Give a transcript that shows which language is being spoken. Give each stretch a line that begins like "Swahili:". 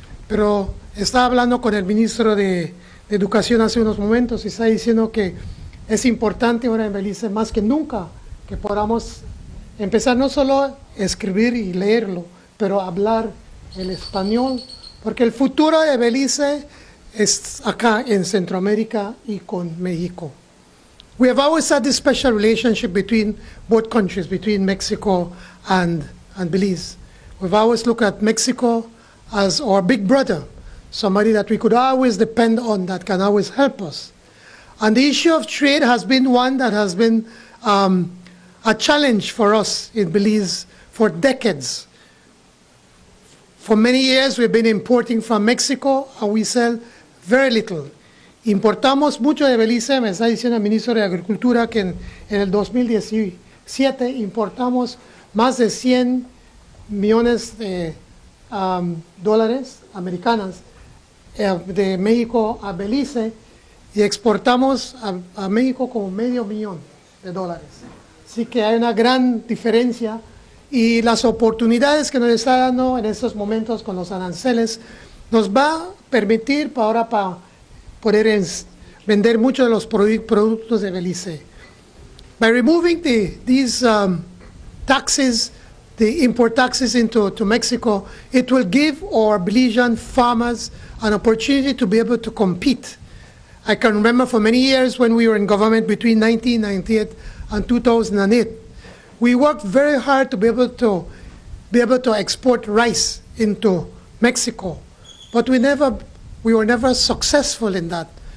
Spanish: Pero estaba hablando con el ministro de Educación hace unos momentos y está diciendo que es importante ahora en Belice, más que nunca, que podamos empezar no solo escribir y leerlo, pero hablar el español, porque el futuro de Belice es acá en Centroamérica y con México.
English: We have always had this special relationship between both countries, between Mexico and and Belize. We've always looked at Mexico as our big brother, somebody that we could always depend on, that can always help us. And the issue of trade has been one that has been a challenge for us in Belize for decades. For many years, we've been importing from Mexico, and we sell very little.
Spanish: Importamos mucho de Belice, me está diciendo el ministro de Agricultura, que en el 2017 importamos más de 100 millones de dólares americanos de México a Belice, y exportamos a México como medio millón de dólares. Así que hay una gran diferencia, y las oportunidades que nos está dando en estos momentos con los aranceles nos va a permitir ahora para poder vender muchos de los productos de Belice.
English: By removing these taxes, the import taxes into Mexico, it will give our Belizean farmers an opportunity to be able to compete. I can remember for many years when we were in government between 1998 and 2008, we worked very hard to be able to export rice into Mexico, but we were never successful in that.